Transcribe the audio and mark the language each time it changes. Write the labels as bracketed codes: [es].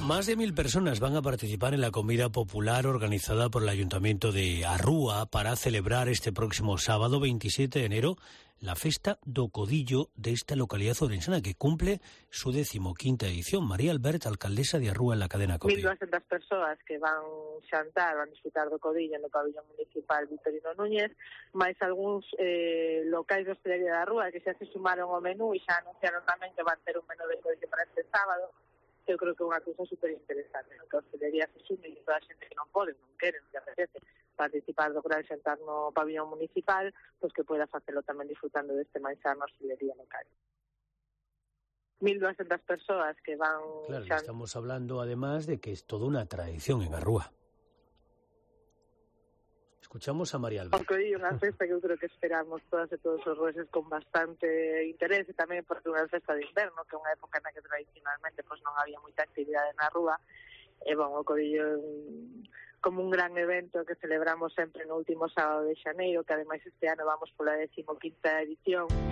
[es] Más de 1.000 personas van a participar en la comida popular organizada por el Ayuntamiento de Arrúa para celebrar este próximo sábado 27 de enero la Festa do Codillo de esta localidad orensana que cumple su 15ª edición. María Albert, alcaldesa de Arrúa en la cadena COPE. [gl] 1.200 personas que van xantar, van disfrutar do Codillo no pabellón municipal Victorino Núñez, máis algúns locais de hostelería de Arrúa que xa se sumaron ao menú e xa anunciaron tamén que van ter un menú de Codillo para este sábado. Eu creo que é unha cousa super interesante, ¿no? Que a hostelería se sume e toda a xente que non pode, non quere, non apetece participar do gran xantar no pabellón municipal, pois que poida facelo tamén disfrutando deste manxar na hostelería local. 1.200 persoas que van... Claro, xan... [es] estamos hablando, además, de que [gl] é toda unha tradición en Arrúa. [es] Escuchamos a María Alba. Porque hoy una festa que yo creo que esperamos todas y todos los rueses con bastante interés, y también porque una festa de invierno, que es una época en la que tradicionalmente pues no había mucha actividad en la rúa. Bueno, Codillo como un gran evento que celebramos siempre en el último sábado de xaneiro, que además este año vamos por la 15ª edición.